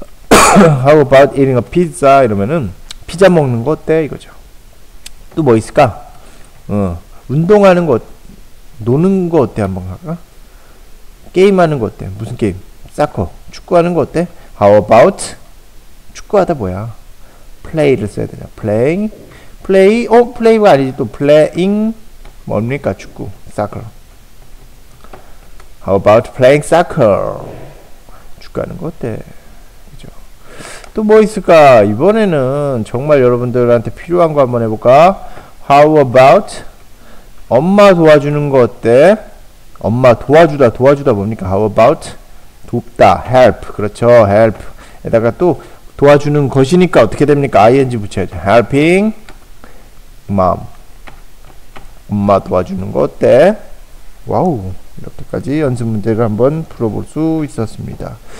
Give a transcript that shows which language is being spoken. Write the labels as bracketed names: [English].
[English] How about eating a pizza? [Korean] 이러면은, 피자 먹는 거 어때? 이거죠. 또 뭐 있을까? 운동하는 거, 노는 거 어때? 한번 할까? 게임하는 거 어때? 무슨 게임? 사커. 축구하는 거 어때? How about? 축구하다 뭐야? play를 써야 되냐? playing, play, 어? play가 아니지 또 playing 뭡니까 축구, soccer. [English] How about playing soccer? [Korean] 축구하는 거 어때? 그죠? 또 뭐 있을까? 이번에는 정말 여러분들한테 필요한 거 한번 해볼까? [English] How about [Korean] 엄마 도와주는 거 어때? 엄마 도와주다, 도와주다 뭡니까? How about 돕다, help. 그렇죠, help. 에다가 또 도와주는 것이니까 어떻게 됩니까? ing 붙여야죠. [English] Helping mom. [Korean] 엄마 도와주는 거 어때? 와우. 이렇게까지 연습 문제를 한번 풀어볼 수 있었습니다.